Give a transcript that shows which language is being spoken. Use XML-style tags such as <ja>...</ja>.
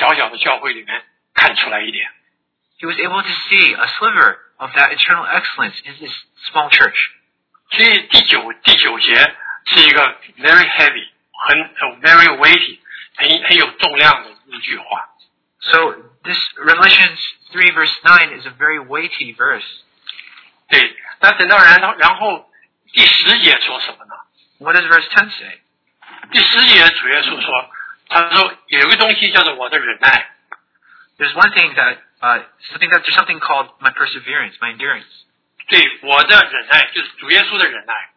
<zh>是永远的荣华，在这个小小的教会里面看出来一点。</zh> <en>He was able to see a sliver of that eternal excellence in this small church.</en> <zh>所以第九节是一个</zh> <en>very heavy,</en> <zh>很</zh> <en>very weighty,</en> <zh>很有重量的一句话。</zh> <en>So this Revelation 3 verse 9 is a very weighty verse.</en> <zh>对，那等到然后第十节说什么呢？</zh> <en>What does verse 10 say?</en> <zh>第十节主耶稣说，他说有一个东西叫做我的忍耐。</zh> <en>There's one thing that, there's something called my perseverance, my endurance.</en> <zh>对，我的忍耐，就是主耶稣的忍耐。</zh>